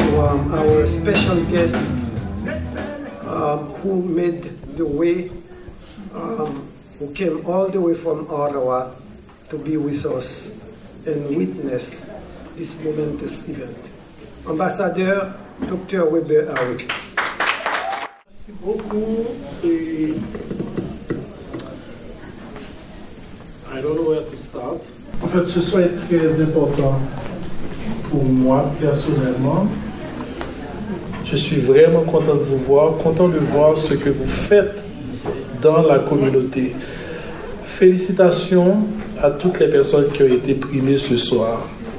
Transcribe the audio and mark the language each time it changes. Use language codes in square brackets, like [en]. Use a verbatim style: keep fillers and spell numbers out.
[en] Um, our special guest um, who made the way, um, who came all the way from Ottawa to be with us and witness this momentous event. [fr] Ambassadeur Docteur Weber Harris. Merci beaucoup. Et [en] I don't know where to start. [fr] En fait, ce soir est très important pour moi personnellement. Je suis vraiment content de vous voir, content de voir ce que vous faites dans la communauté. Félicitations à toutes les personnes qui ont été primées ce soir.